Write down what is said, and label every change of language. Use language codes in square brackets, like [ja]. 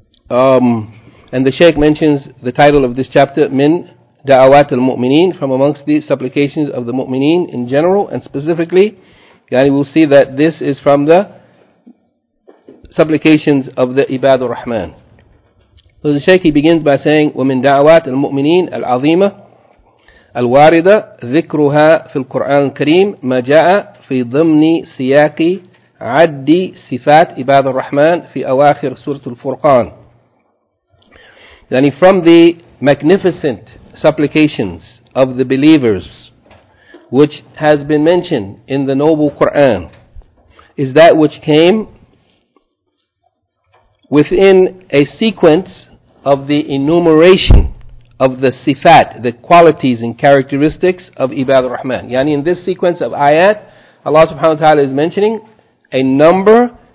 [en] And the Shaykh mentions the title of this chapter, Min Da'awat al-Mu'mineen, from amongst the supplications of the Mu'mineen in general, and specifically, yani we'll see that this is from the supplications of the Ibad al-Rahman. So the Shaykh, he begins by saying, [ar] وَمِن دَعْوَاتِ الْمُؤْمِنِينَ الْعَظِيمَةِ الْوَارِدَةِ ذِكْرُهَا فِي الْقُرْآنِ الْكَرِيمِ مَا جَاءَ فِي ضَمْنِ سِيَاقِ عَدِّي صِفَاتِ Ibad al-Rahman فِي أَوَاخِرِ سُورَةِ الْفُرْقَانِ. [en] Yani from the magnificent supplications of the believers, which has been mentioned in the noble Qur'an, is that which came within a sequence of the enumeration of the sifat, the qualities and characteristics of Ibad al-Rahman. Yani in this sequence of ayat, Allah subhanahu wa ta'ala is mentioning a number